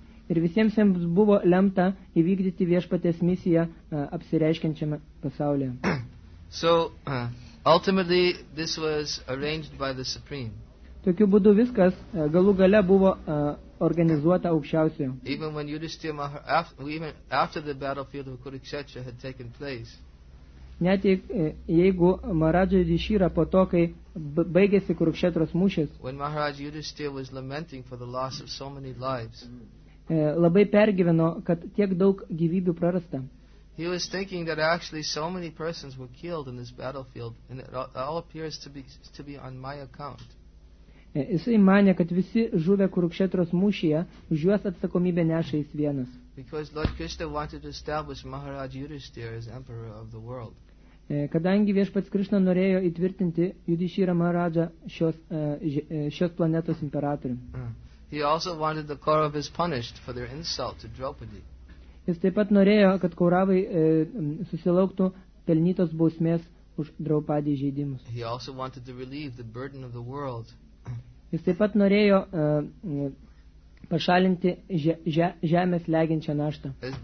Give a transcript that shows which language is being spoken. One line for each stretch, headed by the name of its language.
Lithuanian: Ir visiems jiems buvo lemta įvykdyti viešpatės misiją apsireiškiančiame pasaulyje.
English: So ultimately this was arranged by the Supreme.
Lithuanian: Tokiu būdu viskas galų gale buvo organizuota aukščiausiojo.
English: Even when Yudhishthira after the battlefield of Kurukshetra had taken place.
Lithuanian: Net jeigu Maharaja Yudhishthira po to, kai baigėsi Kurukšetros mūšis,
English: when Maharaja Yudhishthira was lamenting for the loss of so many lives.
Lithuanian: Labai pergyveno, kad tiek daug gyvybių prarasta.
English: He was thinking that actually so many persons were killed in this battlefield and it all appears to be on my account.
Lithuanian: Jisai manė, kad visi žuvę Kurukšetros mūšyje už juos atsakomybę neša jis vienas.
English: Because Lord Krishna wanted to establish Maharaja Yudhishthira as emperor of the world.
Lithuanian: Kadangi viešpats Krishna norėjo įtvirtinti Yudhishthira Maharaja šios planetos imperatorium.
English: He also wanted the Kauravas punished for their insult to Draupadi.
Lithuanian: Jis taip pat norėjo, kad Kauravai susilauktų pelnytos bausmės už Draupadi žaidimus.
English: He also wanted to relieve the burden of the world.
Lithuanian: Jis taip pat norėjo pašalinti žemės legiančią naštą.